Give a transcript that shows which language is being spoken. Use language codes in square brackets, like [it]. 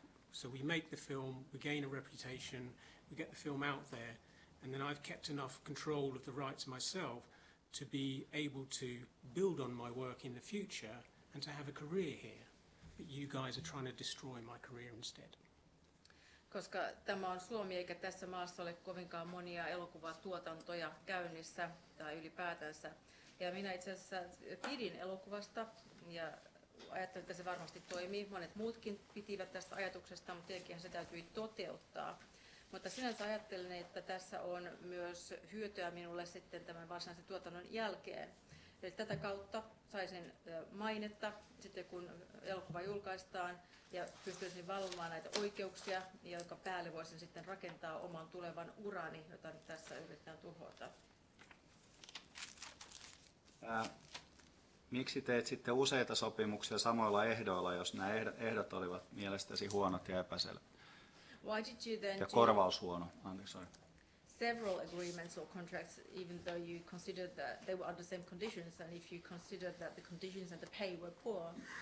[en] So we make the film, we gain a reputation. We get the film out there, and then I've kept enough control of the rights myself to be able to build on my work in the future and to have a career here. But you guys are trying to destroy my career instead. [fi] Koska tämä on Suomi, eikä tässä maassa ole kovinkaan monia elokuvatuotantoja käynnissä tai ylipäätänsä. Ja minä itse asiassa pidin elokuvasta ja ajattelin, että se varmasti toimii. Monet muutkin pitivät tästä ajatuksesta, mutta tietenkin se täytyy toteuttaa. Mutta sinänsä ajattelin, että tässä on myös hyötyä minulle sitten tämän varsinaisen tuotannon jälkeen. Eli tätä kautta saisin mainetta sitten, kun elokuva julkaistaan, ja pystyisin valvomaan näitä oikeuksia, jotka päälle voisin sitten rakentaa oman tulevan urani, jota nyt tässä yritetään tuhota. Miksi teet sitten useita sopimuksia samoilla ehdoilla, jos nämä ehdot olivat mielestäsi huonot ja epäselvät? [en] Why did you then [fi] ja korvaus huono. Anteeksi, sorry. [en] Several agreements or contracts, even though you considered that they were under the same conditions, and if you considered that the conditions and the pay were poor.